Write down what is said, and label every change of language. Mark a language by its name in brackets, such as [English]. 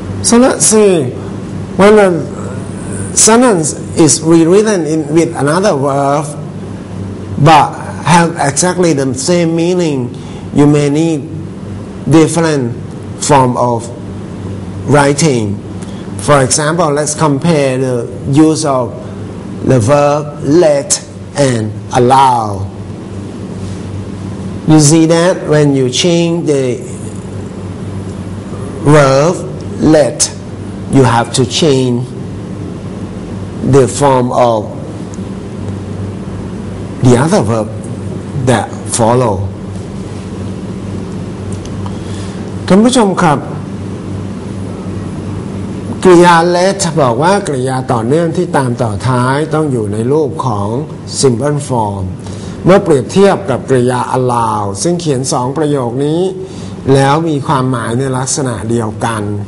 [English] So let's see, when a sentence is rewritten in with another verb but have exactly the same meaning, you may need different form of writing. For example, let's compare the use of the verb let and allow. You see that when you change the verb,Let you have to change the form of the other verb that follow. [Thai] ท่านผู้ชมครับกริยา let บอกว่ากริยาต่อเนื่องที่ตามต่อท้ายต้องอยู่ในรูปของ simple form เมื่อเปรียบเทียบกับกริยา allow ซึ่งเขียนสองประโยคนี้แล้วมีความหมายในลักษณะเดียวกัน